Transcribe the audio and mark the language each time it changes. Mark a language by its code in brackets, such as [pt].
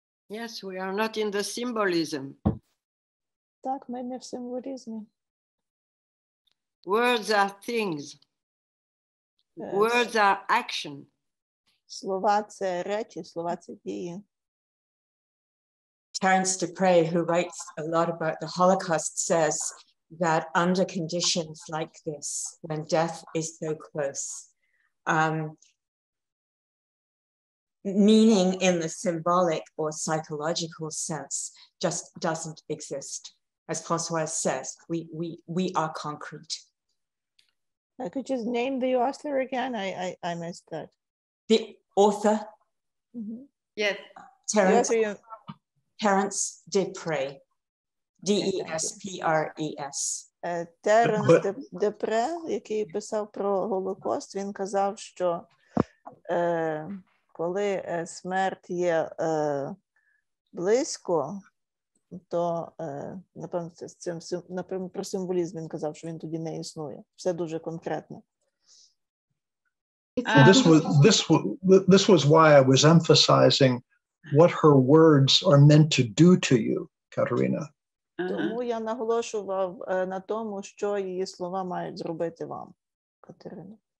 [en] Yes, we are not in the symbolism. [uk] Так, ми не в символізмі. [en] Words are things. Yes. Words are action. [uk] Слова – це речі, слова – це дії. [en] Terence Dupré, who writes a lot about the Holocaust, says that under conditions like this, when death is so close, meaning in the symbolic or psychological sense just doesn't exist. As Françoise says, we are concrete. I could just name the author again. I missed that. The author? Mm-hmm. Yes. Terence Dupré, D-E-S-P-R-E-S. [uk] Терренс Дупре, який писав про Голокост, він казав, що коли смерть є близько, то, напевно, це з цим, напевно, про символізм він казав, що він тоді не існує. Все дуже конкретно. [en] This was why I was emphasizing what her words are meant to do to you, Katerina. [uk] Тому я наголошував на тому, що її слова мають зробити вам, Катерина.